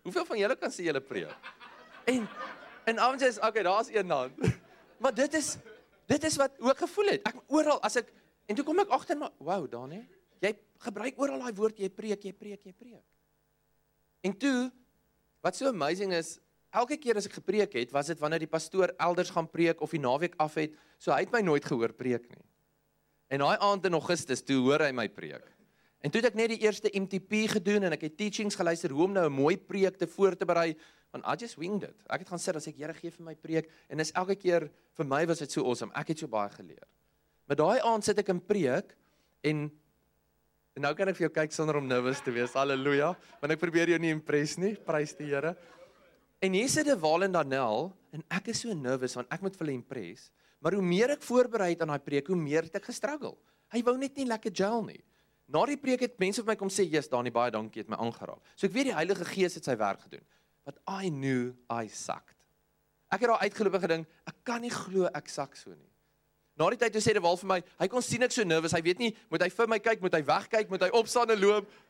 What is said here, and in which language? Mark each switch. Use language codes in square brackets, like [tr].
[af] Hoeveel van julle kan sê julle preek? En avonds is, okay, daar's een dan. Maar dit is wat ook gevoel het. Ek oral as ek en toe kom ek agter maar wow, Danie, jy gebruik oral daai woord jy preek. En toe wat so amazing is, elke keer as ek gepreek het, was dit wanneer die pastoor elders gaan preek of die naweek af het, so hy het my nooit gehoor preek nie. En daai aand in Augustus, toe hoor hy my preek. En toe het ek net die eerste MTP gedoen en ek het teachings geluister hoe om nou 'n mooi preek te voor te berei, want [en] I just winged it. [af] Ek het gaan sit en sê, Here, gee vir my preek, en is elke keer vir my was dit so awesome. Ek het so baie geleer. Maar daai aand sit ek in preek en nou kan ek vir jou kyk sonder om nervous te wees. Halleluja. Want ek probeer jou nie impress nie. Prys die Here. En hier sit Deval en Danel en ek is so nervous want ek moet vir hulle impress. Maar hoe meer ek voorberei het aan daai preek, hoe meer het ek gestruggle. Hy wou net nie lekker gel nie. Na die preek het mense vir my kom sê, "Jesus, Danie, baie dankie, het my aangeraak." So ek weet die Heilige Gees het sy werk gedoen. [en] But I knew I sucked. [af] Ek het daar uitgeloop en gedink, ek kan nie glo ek suk so nie. Na die tyd toe sê Deval vir my, hy kon sien ek so nervous, hy weet nie, moet hy vir my kyk, moet hy wegkyk, moet hy opstaan en loop.